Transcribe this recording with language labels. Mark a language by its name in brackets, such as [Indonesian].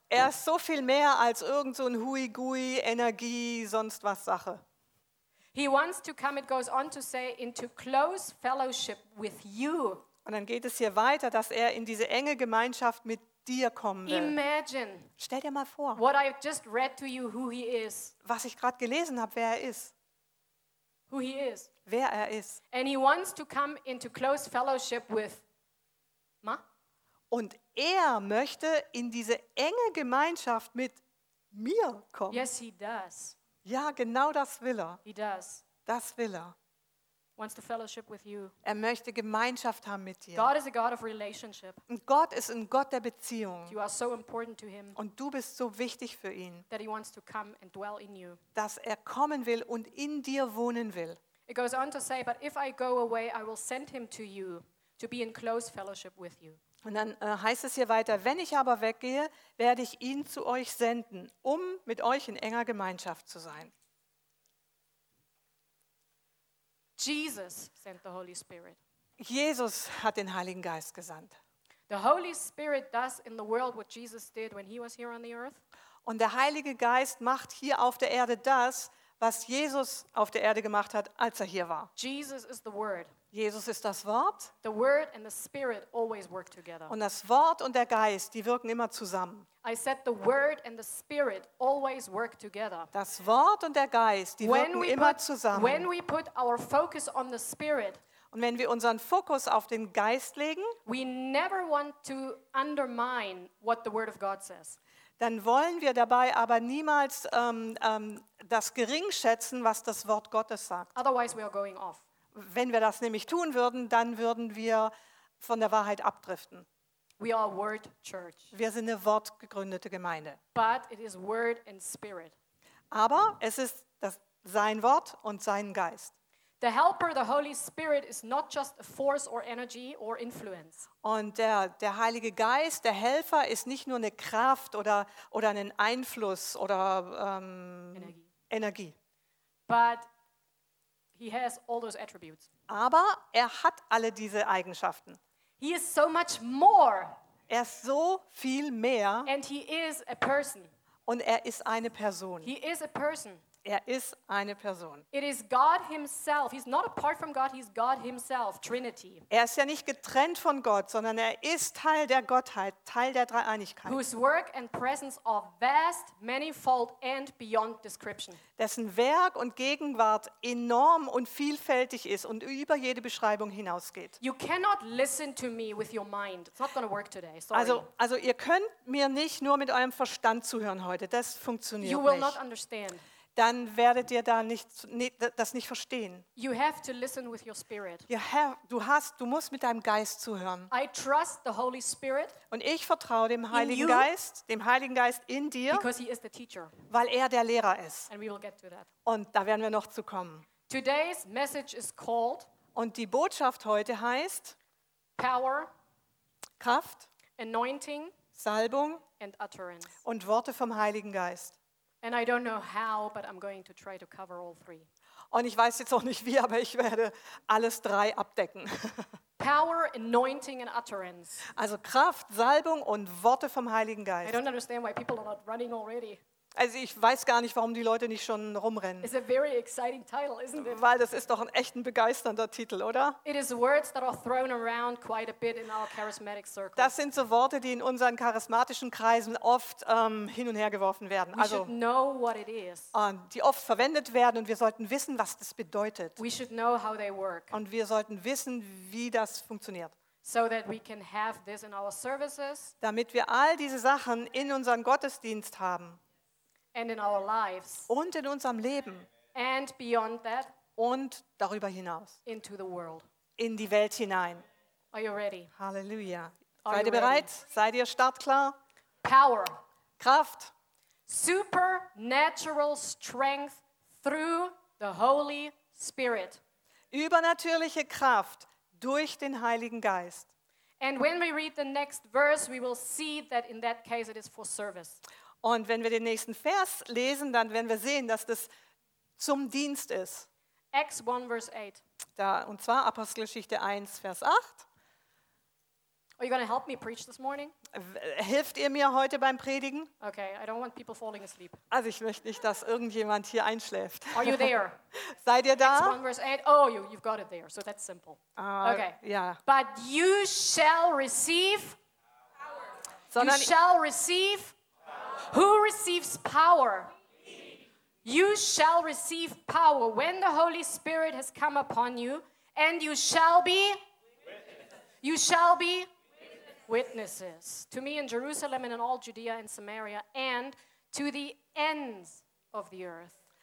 [German] Er ist so viel mehr als irgend so ein Hui Gui Energie sonst was Sache. [English] He wants to come. It goes on to say into close fellowship with you. [German] Und dann geht es hier weiter, dass er in diese enge Gemeinschaft mit dir kommen will. [English] Imagine. [German] Stell dir mal vor. [English] What I just read to you, who he is. [German] Was ich gerade gelesen habe, wer er ist. [English] Who he is. [German] Wer er ist. [English] And he wants to come into close fellowship with. [German] Und er möchte in diese enge Gemeinschaft mit mir kommen. [English] Yes, he does. [German] Ja, genau das will er. [English] He does. [German] Das will er. [English] Wants to fellowship with you. [German] Er möchte Gemeinschaft haben mit dir. [English] God is a God of relationship. [German] Und Gott ist ein Gott der Beziehung. [English] You are so important to him. [German] Und du bist so wichtig für ihn. [English] That he wants to come and dwell in you. [German] Dass er kommen will und in dir wohnen will. [English] It goes on to say, but if I go away, I will send him to you. To be in close fellowship with you. [German] Und dann heißt es hier weiter, wenn ich aber weggehe, werde ich ihn zu euch senden, um mit euch in enger Gemeinschaft zu sein. [English] Jesus sent the Holy Spirit. [German] Jesus hat den Heiligen Geist gesandt. [English] The Holy Spirit does in the world what Jesus did when he was here on the earth. [German] Und der Heilige Geist macht hier auf der Erde das, was Jesus auf der Erde gemacht hat, als er hier war. [English] Jesus is the Word. [German] Jesus ist das Wort. [English] The Word and the Spirit always work together. [German] Und das Wort und der Geist, die wirken immer zusammen. [English] I said the Word and the Spirit always work together. [German] Das Wort und der Geist, die [English] when [German] wirken immer zusammen. [English] When we put our focus on the Spirit, [German] und wenn wir unseren Fokus auf den Geist legen, [English] we never want to undermine what the Word of God says. [German] Dann wollen wir dabei aber niemals das geringschätzen, was das Wort Gottes sagt. [English] Otherwise we are going off. [German] Wenn wir das nämlich tun würden, dann würden wir von der Wahrheit abdriften. [English] We are Word Church. [German] Wir sind eine wortgegründete Gemeinde. [English] But it is Word and Spirit. [German] Aber es ist sein Wort und sein Geist. [English] The helper, the Holy Spirit, is not just a force or energy or influence. [German] Und der Heilige Geist, der Helfer, ist nicht nur eine Kraft oder einen Einfluss oder Energie. [English] But he has all those attributes. [German] Aber er hat alle diese Eigenschaften. [English] He is so much more. [German] Er ist so viel mehr. [English] And he is a person. [German] Und er ist eine Person. [English] He is a person. [German] Er ist eine Person. [English] It is God himself. He's not apart from God, he's God himself, Trinity. [German] Er ist ja nicht getrennt von Gott, sondern er ist Teil der Gottheit, Teil der Dreieinigkeit. [English] Whose work and presence are vast, manifold and beyond description. [German] Dessen Werk und Gegenwart enorm und vielfältig ist und über jede Beschreibung hinausgeht. [English] You cannot listen to me with your mind. It's not going to work today. Sorry. [German] Also ihr könnt mir nicht nur mit eurem Verstand zuhören heute. Das funktioniert nicht. [English] You will [German] nicht. [English] Not understand. [German] Dann werdet ihr das nicht verstehen. [English] You have to listen with your spirit. [German] Du musst mit deinem Geist zuhören. [English] I trust the Holy Spirit. [German] Und ich vertraue dem Heiligen Geist in dir, [English] because he is the teacher. [German] Weil er der Lehrer ist. [English] And we will get to that. [German] Und da werden wir noch zu kommen. [English] Today's message is called. [German] Und die Botschaft heute heißt [English] Power, [German] Kraft, [English] Anointing, [German] Salbung [English] and Utterance. [German] Und Worte vom Heiligen Geist. [English] And I don't know how, but I'm going to try to cover all three. [German] Und ich weiß jetzt auch nicht wie, aber ich werde alles drei abdecken. [English] Power, anointing and utterance. [German] Also Kraft, Salbung und Worte vom Heiligen Geist. [English] I don't understand why people are not running already. [German] Also ich weiß gar nicht, warum die Leute nicht schon rumrennen. [English] It's a very exciting title, isn't it? [German] Weil das ist doch ein echt begeisternder Titel, oder? [English] It is words that are thrown around quite a bit in our charismatic circles. [German] Das sind so Worte, die in unseren charismatischen Kreisen oft hin und her geworfen werden. [English] We [German] also, [English] should know what it is. [German] Die oft verwendet werden und wir sollten wissen, was das bedeutet. [English] We should know how they work. [German] Und wir sollten wissen, wie das funktioniert. [English] So that we can have this in our services. [German] Damit wir all diese Sachen in unserem Gottesdienst haben. [English] And in our lives. [German] Und in unserem Leben. [English] And beyond that. [German] Und darüber hinaus. [English] Into the world. [German] In die Welt hinein. [English] Are you ready? [German] Halleluja. Seid ihr bereit? Seid ihr startklar? [English] Power. [German] Kraft. [English] Supernatural strength through the Holy Spirit. [German] Übernatürliche Kraft durch den Heiligen Geist. [English] And when we read the next verse, we will see that in that case it is for service. [German] Und wenn wir den nächsten Vers lesen, dann werden wir sehen, dass das zum Dienst ist. [English] Acts 1, verse 8. [German] Da, und zwar Apostelgeschichte 1, Vers 8. [English] Are you going to help me preach this morning? [German] Hilft ihr mir heute beim Predigen? [English] Okay, I don't want people falling asleep. [German] Also ich möchte nicht, dass irgendjemand hier einschläft. [English] Are you there? [German] Seid ihr da? [English] Acts 1, verse 8. Oh, you've got it there. So that's simple. [German] Okay. Ja. [English] But you shall receive. [German] Sondern [English] you shall receive. Who receives power? You shall receive power when the Holy Spirit has come upon you, and you shall be witnesses. You shall be witnesses to me in Jerusalem and in all Judea and Samaria and to the ends of the earth.